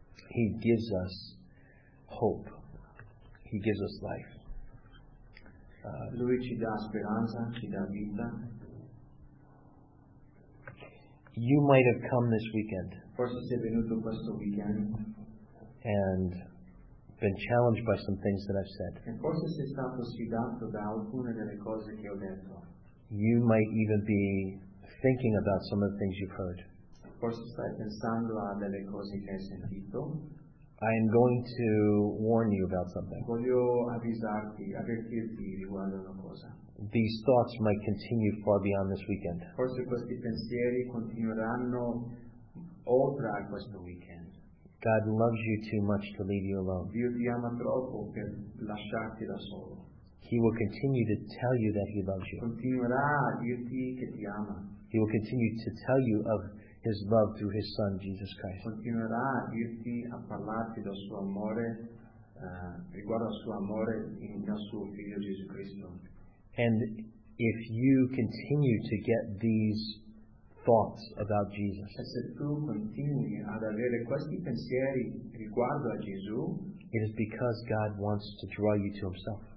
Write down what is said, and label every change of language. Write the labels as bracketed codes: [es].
[en] He gives us hope. He gives us life. [it] Lui ci dà speranza, ci dà vita. [en] You might have come this weekend. [it] Forse sei venuto questo weekend. [en] And been challenged by some things that I've said. [it] E forse sei stato sfidato da alcune delle cose che ho detto. [en] You might even be thinking about some of the things you've heard. [it] Forse stai pensando a delle cose che hai sentito. [en] I am going to warn you about something. [it] Voglio avvisarti, avvertirti riguardo una cosa. [en] These thoughts might continue far beyond this weekend. [it] Forse questi pensieri continueranno oltre a questo weekend. [en] God loves you too much to leave you alone. [it] Dio ti ama troppo per lasciarti da solo. [en] He will continue to tell you that he loves you. [it] Continuerà a dirti che ti ama. [en] He will continue to tell you of his love through his son Jesus Christ. [it] Continuerà a dirti, a parlarti del suo amore riguardo al suo amore in suo figlio Gesù Cristo. [en] And if you continue to get these thoughts about Jesus, [it] e se tu continui ad avere questi pensieri riguardo a Gesù, [en] it is because God wants to draw you to himself.